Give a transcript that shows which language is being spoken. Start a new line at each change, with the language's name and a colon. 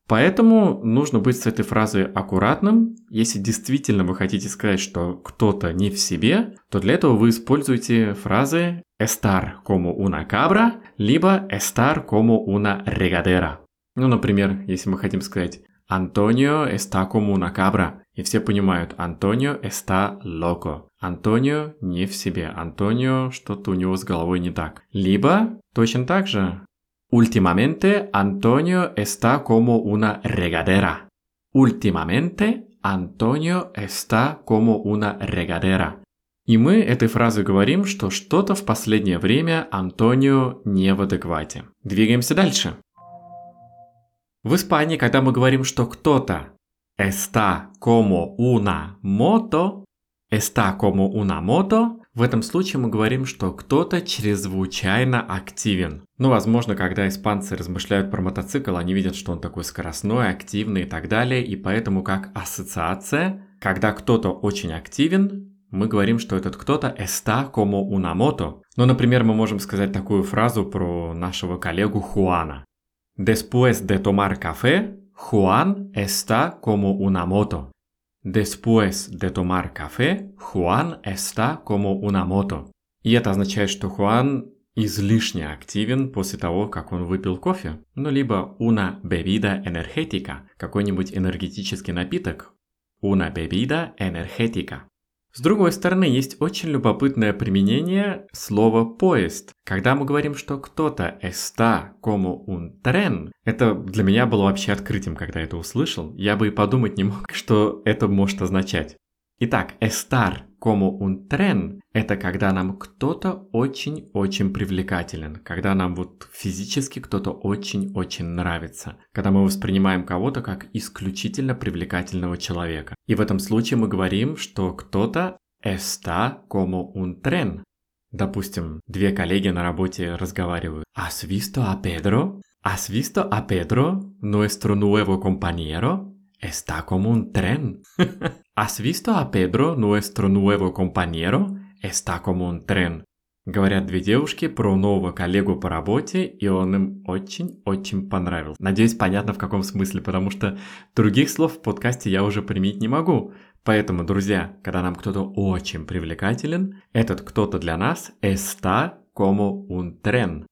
Russian: Поэтому нужно быть с этой фразой аккуратным. Если действительно вы хотите сказать, что кто-то не в себе, то для этого вы используете фразы
Spanish: «estar como una cabra»
Russian: либо
Spanish: «estar como una regadera».
Russian: Ну, например, если мы хотим сказать
Spanish: «Antonio está como una cabra»,
Russian: и все понимают
Spanish: «Antonio está loco».
Russian: Антонио не в себе, Антонио что-то у него с головой не так. Либо, точно так же,
Spanish: «Ultimamente Antonio está como una regadera». «Ultimamente Antonio está como una regadera».
Russian: И мы этой фразой говорим, что что-то в последнее время Антонио не в адеквате. Двигаемся дальше. В Испании, когда мы говорим, что кто-то
Spanish: «está como una moto»,
Russian: «está como una moto», в этом случае мы говорим, что кто-то чрезвычайно активен. Ну, возможно, когда испанцы размышляют про мотоцикл, они видят, что он такой скоростной, активный и так далее, и поэтому как ассоциация, когда кто-то очень активен, мы говорим, что этот кто-то
Spanish: «está como una moto».
Russian: Ну, например, мы можем сказать такую фразу про нашего коллегу Хуана.
Spanish: «Después de tomar café, Juan está como una moto». Después de tomar café, Juan está como una moto.
Russian: И это означает, что Juan излишне активен после того, как он выпил кофе. Ну, либо
Spanish: una bebida energética,
Russian: какой-нибудь энергетический напиток.
Spanish: Una bebida energética.
Russian: С другой стороны, есть очень любопытное применение слова «поезд». Когда мы говорим, что кто-то
Spanish: está como un tren,
Russian: это для меня было вообще открытием, когда я это услышал. Я бы и подумать не мог, что это может означать. Итак,
Spanish: estar como un tren
Russian: – это когда нам кто-то очень-очень привлекателен, когда нам вот физически кто-то очень-очень нравится, когда мы воспринимаем кого-то как исключительно привлекательного человека. И в этом случае мы говорим, что кто-то
Spanish: está como un tren.
Russian: Допустим, две коллеги на работе разговаривают.
Spanish: «Has visto a Pedro? Has visto a Pedro, nuestro nuevo compañero? Está como un tren». «Has visto a Pedro, nuestro nuevo compañero? Está como un tren».
Russian: Говорят две девушки про нового коллегу по работе, и он им очень-очень понравился. Надеюсь, понятно, в каком смысле, потому что других слов в подкасте я уже применить не могу. Поэтому, друзья, когда нам кто-то очень привлекателен, этот кто-то для нас
Spanish: «está como un tren».